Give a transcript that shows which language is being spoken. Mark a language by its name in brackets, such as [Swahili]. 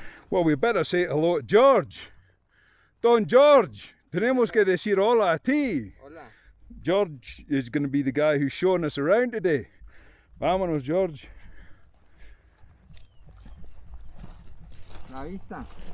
[English] Well, we better say hello to George. [Spanish] Don George, tenemos que decir hola a ti. Hola. [English] George is going to be the guy who's showing us around today. [Spanish] Vámonos, George. La vista.